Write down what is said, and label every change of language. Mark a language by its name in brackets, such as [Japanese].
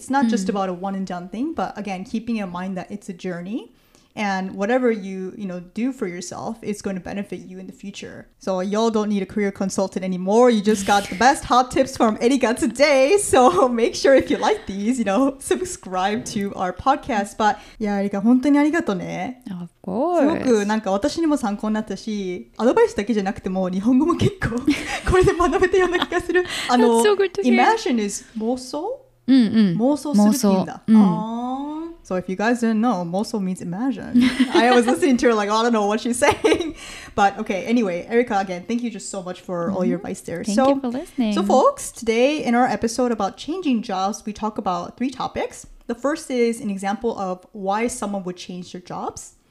[English] It's not just about a one and done thing, but again, keeping in mind that it's a journey and whatever you know, do for yourself is going to benefit you in the future. So y'all don't need a career consultant anymore. You just got the best hot tips from Erica today. So make sure if you like these, you know, subscribe to our podcast. But yeah, Erica, [Japanese] 本当にありがとうね。すごくなんか私にも参考になったし、アドバイスだけじゃなくても日本語も結構これで学べたような気がする。 [English] That's so good to hear. Imagine is 妄想、 [Japanese] うんうん、妄想するっていうんだ。 [English] So if you guys didn't know, mozo means imagine. I was listening to her like, oh, I don't know what she's saying. But okay, anyway, Erica, again, thank you just so much for mm-hmm. all your advice there. Thank you for listening. So folks, today in our episode about changing jobs, we talk about three topics. The first is an example of why someone would change their jobs.